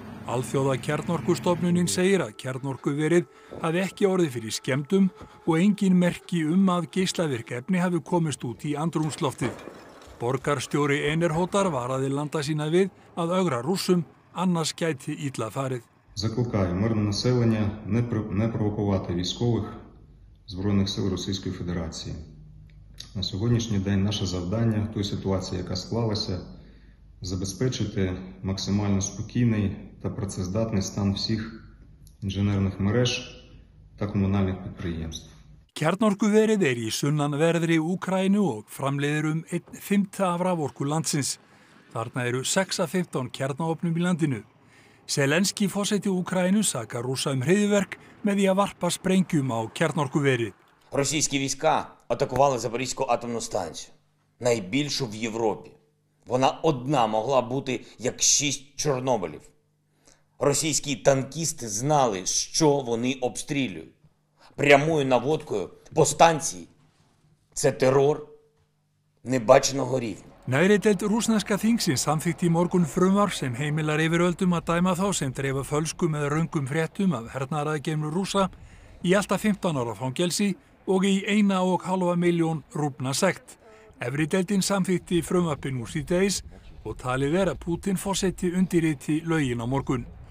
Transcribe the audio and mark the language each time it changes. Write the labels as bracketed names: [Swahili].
[Icelandic] Alþjóða kjarnorkustofnunin segir að kjarnorkuverið hafi ekki orðið fyrir skemmdum og engin merki að geislavirk efni hafi komist út í andrúmsloftið. Borgarstjóri Enerhótar varaði landa sína við að ögra rússum, annars gæti illa farið. [Ukrainian] Закликаю мирне населення не провокувати військових збройних сил Російської Федерації. На сьогоднішній день наше завдання, ту ситуацію, яка склалася, забезпечити максимально спокійний та працездатний стан всіх інженерних мереж та комунальних підприємств. [Icelandic] Kjarnorkuverið er í sunnanverðri Úkraínu og framleiðir 1/5 af raforku landsins. Þarna eru 6 af 15 kjarnaofnum í landinu. Zelenský forseti Úkraínu sakar Rússa hryðjuverk með því að varpa sprengjum á kjarnorkuverið. [Ukrainian] Російські війська атакували Запорізьку атомну станцію, найбільшу в Європі. Вона одна могла бути як 6 Чорнобилів. Російські танкісти знали, що вони обстрілюють. Прямою наводкою по станції – це терор небаченого рівня. [Icelandic] Neðri deild rússneska þingsins samþykkti í morgun frumvarp sem heimilar yfiröldum að dæma þá sem dreifa fölskum eða röngum fréttum af hernaðaraðgerðum Rússa í alltaf 15 ára fangelsi og í 1,5 milljón rúbna sekt. Efri deildin samþykkti frumvarpinn úr síðdegis og talið að Pútín forseti undirriti lögin á morgun.